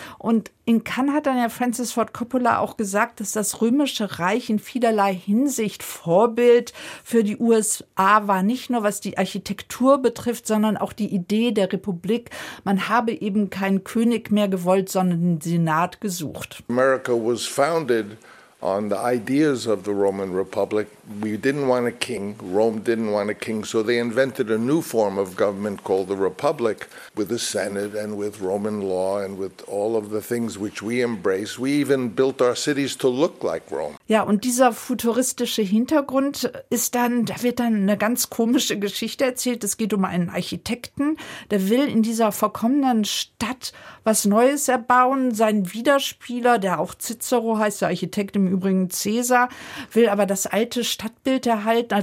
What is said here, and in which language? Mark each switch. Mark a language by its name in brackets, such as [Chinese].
[German] Und in Cannes hat dann ja Francis Ford Coppola auch gesagt, dass das Römische Reich in vielerlei Hinsicht Vorbild für die USA war, nicht nur was die Architektur betrifft, sondern auch die Idee der Republik. Man habe eben keinen König mehr gewollt, sondern den Senat gesucht. [English] America was founded on the ideas of the Roman Republic, We didn't want a king. Rome didn't want a king. So they invented a new form of government called the Republic, with the Senate and with Roman law and with all of the things which we embrace. We even built our cities to look like Rome. [German] Ja, und dieser futuristische Hintergrund ist dann, da wird dann eine ganz komische Geschichte erzählt. Es geht um einen Architekten, der will in dieser verkommenen Stadt was Neues erbauen. Sein Widerspieler, der auch Cicero heißt, der Architekt im Übrigen Caesar, will aber das alte Stadtbild erhalten.